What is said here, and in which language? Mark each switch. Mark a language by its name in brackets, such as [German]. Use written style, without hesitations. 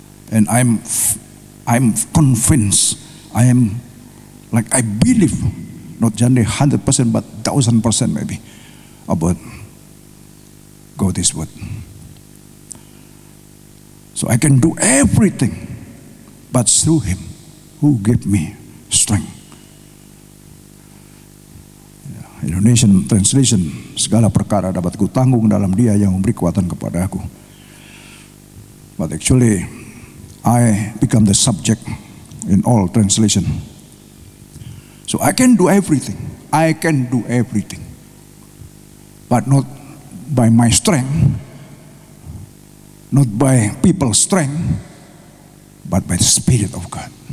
[English] And I'm convinced, I am, like, I believe, not only 100%, but 1000% maybe, about God's word. So I can do everything, but through Him who gave me strength. Indonesian translation, [Indonesian] segala perkara dapat ku tanggung dalam Dia yang memberi kekuatan kepada aku. [English] But actually, I become the subject in all translation. So I can do everything. I can do everything. But not by my strength, not by people's strength, but by the Spirit of God.